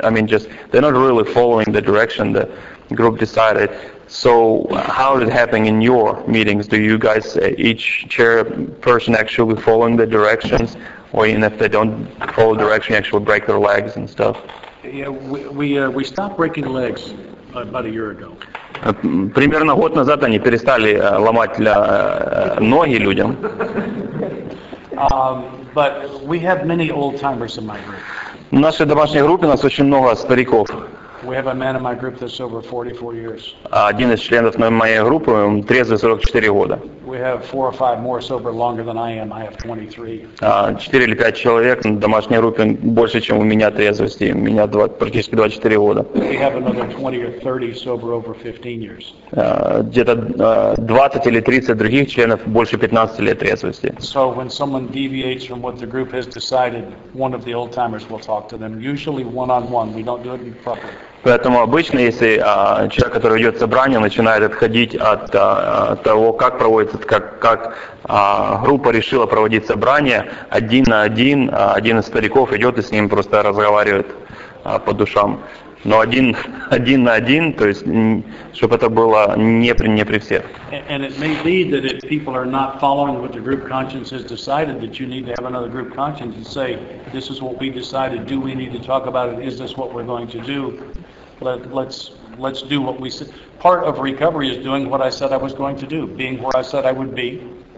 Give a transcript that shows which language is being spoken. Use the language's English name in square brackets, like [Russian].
[English] I mean, just they're not really following the direction the group decided. So, how is it happening in your meetings? Do you guys each chair person actually following the directions, or even if they don't follow direction, you actually break their legs and stuff? Yeah, we stopped breaking legs about a year ago. [Russian] Примерно год назад они перестали ломать ноги людям. [English] But we have many old-timers in my group. [Russian] В нашей домашней группе у нас очень много стариков. [English] We have a man in my group that's over 44 years. [Russian] Один из членов моей группы, он трезвый 44 года. [English] We have four or five more sober longer than I am. I have 23. [Russian] 4 или 5 человек в домашней группе больше, чем у меня трезвости. У меня практически 24 года. [English] We have another 20 or 30 sober over 15 years. [Russian] Где-то 20 или 30 других членов больше 15 лет трезвости. [English] So when someone deviates from what the group has decided, one of the old timers will talk to them, usually one-on-one. We don't do it properly. [Russian] Поэтому обычно, если человек, который идет в собрание, начинает отходить от того, как проводится, как группа решила проводить собрание, один на один, один из стариков идет и с ним просто разговаривает по душам. Но один на один, то есть, чтобы это было не при всех. [English] And it may be that if people are not following what the group conscience has decided, that you need to have another group conscience and say, this is what we decided, do we need to talk about it, is this what we're going to do? Let's do what we said. Part of recovery is doing what I said I was going to do, being where I said I would be.